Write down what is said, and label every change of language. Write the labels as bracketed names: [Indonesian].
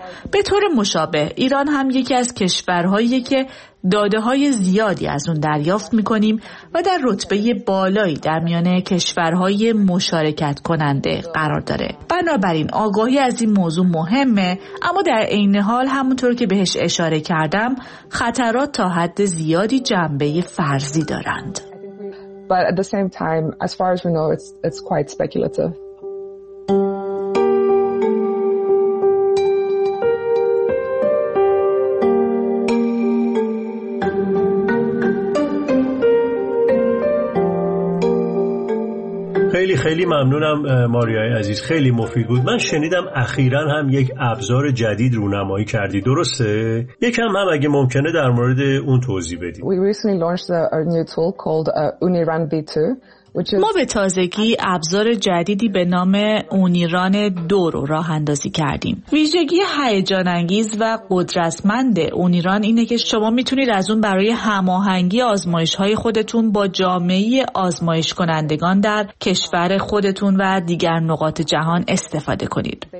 [Persian] به طور مشابه ایران هم یکی از کشورهایی که داده های زیادی از اون دریافت می کنیم و در رتبه بالایی در میان کشورهای مشارکت کننده قرار داره. بنابراین آگاهی از این موضوع مهمه، اما در این حال همونطور که بهش اشاره کردم خطرات تا حد زیادی جنبه فرضی دارند. [English] But at the same time, as far as we know, it's quite speculative. [Persian] خیلی ممنونم ماریای عزیز، خیلی مفید بود. من شنیدم اخیراً هم یک ابزار جدید رونمایی کردی، درسته؟ یکم هم اگه ممکنه در مورد اون توضیح بدید. [English] We recently launched a new tool called Uniran V2. [Persian] ما به تازگی ابزار جدیدی به نام اونیران دو رو راه اندازی کردیم. ویژگی هیجان انگیز و قدرتمند اونیران اینه که شما میتونید از اون برای هماهنگی آزمایش‌های خودتون با جامعه آزمایش کنندگان در کشور خودتون و دیگر نقاط جهان استفاده کنید.